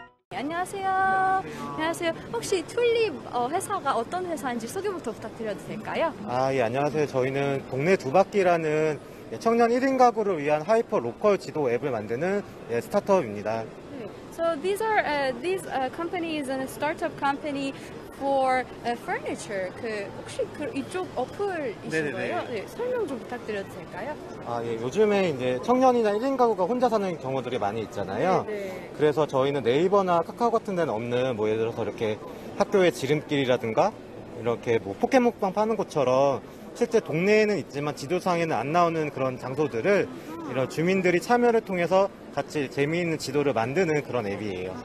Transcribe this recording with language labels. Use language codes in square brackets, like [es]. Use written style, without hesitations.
[ko] 그러면 혹시 튤립 회사가 어떤 회사인지 소개부터 부탁드려도 될까요? 아, 예, 안녕하세요. 저희는 동네 두 바퀴라는 청년 1인 가구를 위한 하이퍼 로컬 지도 앱을 만드는 스타트업입니다. [en] So these are these company is a startup company for furniture. [ko] 그 혹시 그 이쪽 어플이신가요? 네, 설명 좀 부탁드려도 될까요? 아, 예. 요즘에 이제 청년이나 1인 가구가 혼자 사는 경우들이 많이 있잖아요. 네네. 그래서 저희는 네이버나 카카오 같은 데는 없는 뭐 예를 들어서 이렇게 학교의 지름길이라든가 이렇게 뭐 포켓몬빵 파는 곳처럼 실제 동네에는 있지만 지도상에는 안 나오는 그런 장소들을 이런 주민들이 참여를 통해서 같이 재미있는 지도를 만드는 그런 앱이에요.